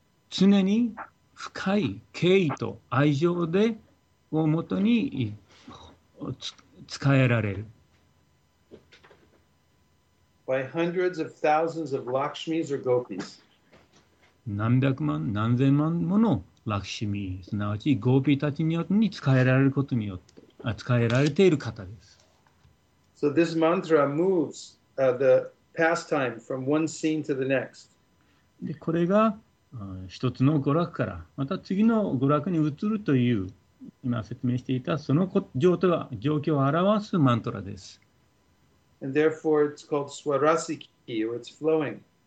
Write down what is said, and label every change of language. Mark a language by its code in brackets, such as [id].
[ja] 常に深い敬意と愛情でをもとに仕えられる。 [en] By hundreds of thousands of Lakshmis or Gopis. [ja] 何百万何千万もの Lakshmi、すなわちゴーピーたちによって使えられることによって使えられている方です。 [en] So this mantra moves the pastime from one scene to the next. [ja] で、これが一つの娯楽からまた次の娯楽に移るという今説明していたその状況を表すマントラです。 [en] And therefore, it's called Swarasiki, or it's flowing.